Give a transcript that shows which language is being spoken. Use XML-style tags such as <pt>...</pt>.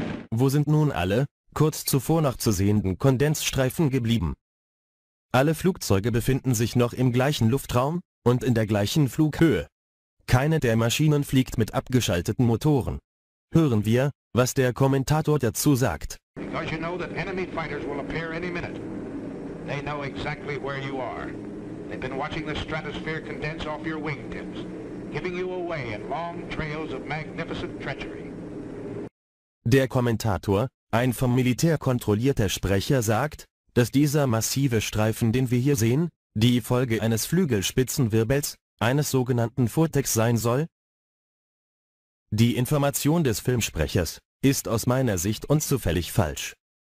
<de>Wo sind nun alle, kurz zuvor noch zu sehenden Kondensstreifen geblieben? Alle Flugzeuge befinden sich noch im gleichen Luftraum und in der gleichen Flughöhe. Keine der Maschinen fliegt mit abgeschalteten Motoren. Hören wir, was der Kommentator dazu sagt.</de> <en>Because you know that enemy fighters will appear any minute. They know exactly where you are. They've been watching the stratosphere condense off your wingtips, giving you away in long trails of magnificent treachery.</en> <de>Der Kommentator, ein vom Militär kontrollierter Sprecher, sagt, dass dieser massive Streifen, den wir hier sehen, die Folge eines Flügelspitzenwirbels, eines sogenannten Vortex sein soll? Die Information des Filmsprechers ist aus meiner Sicht unzufällig falsch.</de>